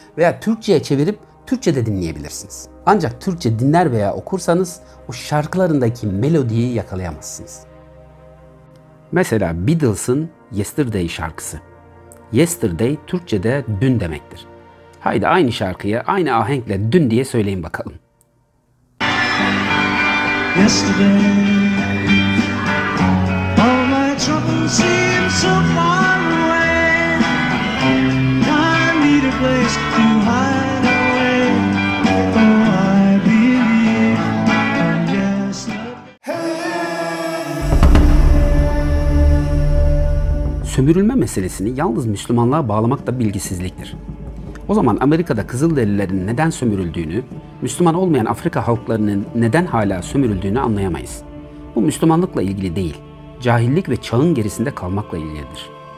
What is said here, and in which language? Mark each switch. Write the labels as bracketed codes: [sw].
[tr] Veya Türkçe'ye çevirip Türkçe de dinleyebilirsiniz. Ancak Türkçe dinler veya okursanız o şarkılarındaki melodiyi yakalayamazsınız. Mesela Beatles'ın Yesterday şarkısı. Yesterday Türkçe'de dün demektir. Haydi aynı şarkıyı aynı ahenkle dün diye söyleyin bakalım. [en] Yesterday, all my troubles seem so far away. I need a place to hide away. Oh, I believe in yesterday. [tr] Sömürülme meselesini yalnız Müslümanlığa bağlamak da bilgisizliktir. O zaman Amerika'da Kızılderililerin neden sömürüldüğünü, Müslüman olmayan Afrika halklarının neden hala sömürüldüğünü anlayamayız. Bu Müslümanlıkla ilgili değil, cahillik ve çağın gerisinde kalmakla ilgilidir.